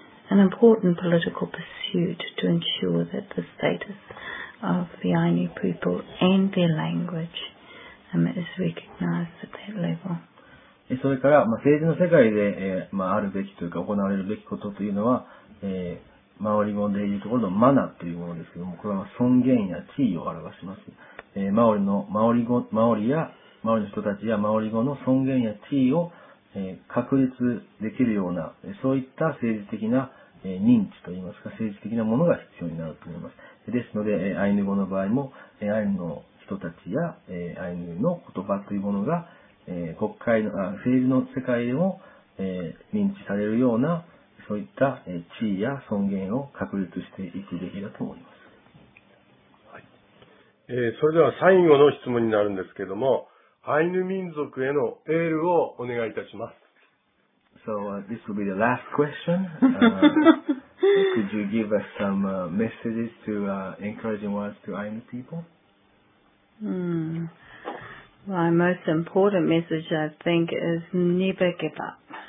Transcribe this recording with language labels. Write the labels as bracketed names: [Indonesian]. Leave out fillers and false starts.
[English] An important political pursuit to ensure that the status of the Ainu people and their language is recognized at that level. [Japanese] それから、まあ、政治の世界で、まあ、あるべきというか行われるべきことというのは、マオリ語でいうところのマナというものですけども、これは尊厳や地位を表します。マオリの人たちやマオリ語の尊厳や地位を、確立できるような、そういった政治的な、認知といいますか、政治的なものが必要になると思います。ですので、アイヌ語の場合も、アイヌの人たちや、アイヌの言葉というものが、国会の、政治の世界でも、認知されるような、そういった、地位や尊厳を確立していくべきだと思います。はい。それでは最後の質問になるんですけども、アイヌ民族へのエールをお願いいたします。 [English] So, this will be the last question. Could you give us some messages to encouraging words to Ainu people? My most important message, I think, is never give up.